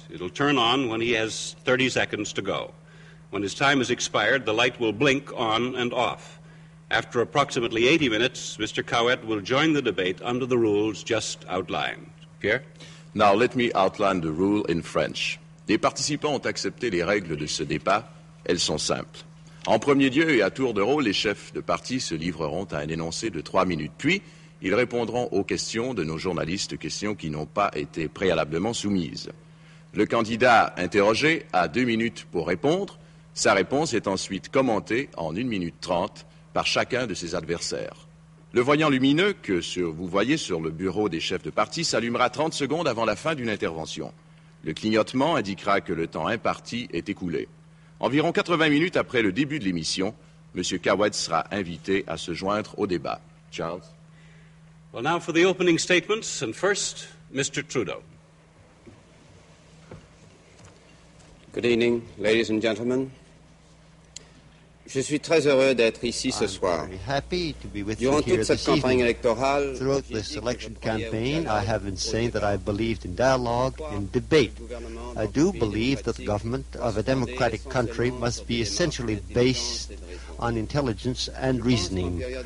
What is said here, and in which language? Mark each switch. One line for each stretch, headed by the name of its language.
English: It'll turn on when he has 30 seconds to go. When his time has expired, the light will blink on and off. After approximately 80 minutes, Mr. Caouette will join the debate under the rules just outlined. Pierre? Now let me outline the rule in French.
French: Les participants ont accepté les règles de ce débat. Elles sont simples. En premier lieu et à tour de rôle, les chefs de parti se livreront à un énoncé de 3 minutes. Puis, ils répondront aux questions de nos journalistes, questions qui n'ont pas été préalablement soumises. Le candidat interrogé a 2 minutes pour répondre. Sa réponse est ensuite commentée en 1 minute 30 par chacun de ses adversaires. Le voyant lumineux que vous voyez sur le bureau des chefs de parti s'allumera 30 secondes avant la fin d'une intervention. Le clignotement indiquera que le temps imparti est écoulé. Environ 80 minutes après le début de l'émission, M. Caouette sera invité à se joindre au débat. Charles?
English: Well, now for the opening statements, and first, Mr. Trudeau. Good evening, ladies and gentlemen.
French: Je suis très heureux d'être ici ce soir. Durant toute cette campagne électorale,
English: throughout this election campaign, I have been saying that I believed in dialogue and debate. I do believe that the government of a democratic country must be essentially based on intelligence and reasoning.